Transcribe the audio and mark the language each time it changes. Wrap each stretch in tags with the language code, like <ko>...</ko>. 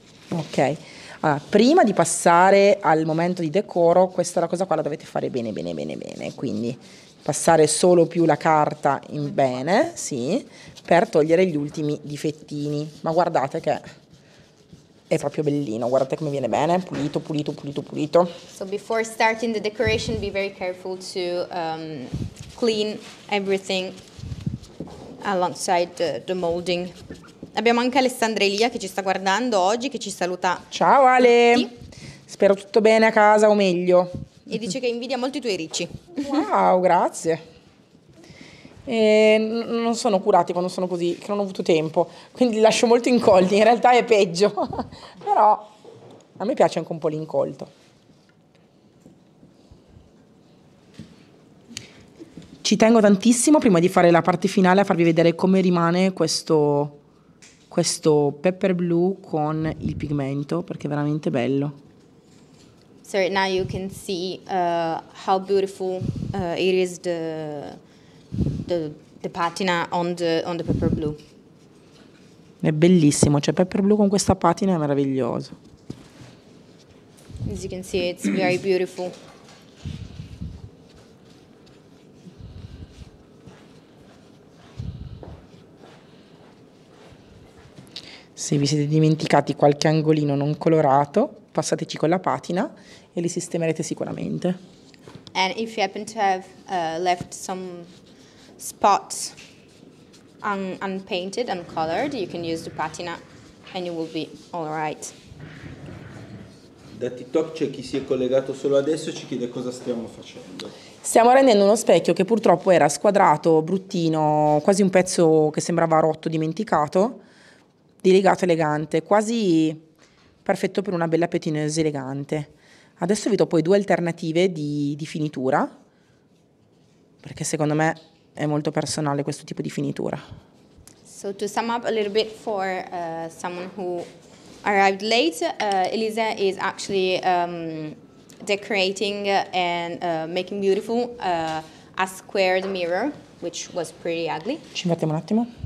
<it>Ok. Allora, prima di passare al momento di decoro, questa è la cosa qua la dovete fare bene, bene, bene, bene. Quindi passare solo più la carta in bene, sì, per togliere gli ultimi difettini. Ma guardate che è proprio bellino, guardate come viene bene, pulito, pulito, pulito, pulito.</it> <en>So before starting the decoration, be very careful to clean everything alongside the molding.</en> <it>Abbiamo anche Alessandra Elia che ci sta guardando oggi, che ci saluta. Ciao Ale, spero tutto bene a casa o meglio. E dice che invidia molto i tuoi ricci. Wow, grazie. E non sono curati quando sono così, che non ho avuto tempo, quindi li lascio molto incolti, in realtà è peggio. Però a me piace anche un po' l'incolto. Ci tengo tantissimo, prima di fare la parte finale, a farvi vedere come rimane questo pepper blu con il pigmento, perché è veramente bello.</it> <en>So now you can see how beautiful it is the patina on the pepper blu.</en> <it>È bellissimo, cioè pepper blu con questa patina è meraviglioso.</it> <en>As you can see it's very beautiful.</en> <it>Se vi siete dimenticati qualche angolino non colorato, passateci con la patina e li sistemerete sicuramente.</it> <en>And if you happen to have left some spots unpainted, uncolored, you can use the patina and you will be all right.</en> <it>Da TikTok c'è chi si è collegato solo adesso e ci chiede cosa stiamo facendo. Stiamo rendendo uno specchio che purtroppo era squadrato, bruttino, quasi un pezzo che sembrava rotto, dimenticato. Delicato, elegante, quasi perfetto per una bella pettinosa elegante. Adesso vi do poi due alternative di finitura, perché secondo me è molto personale questo tipo di finitura.</it> <en>So to sum up a little bit for someone who arrived late, Elisa is actually decorating and making beautiful a squared mirror, which was pretty ugly.</en> <it>Ci mettiamo un attimo.</it>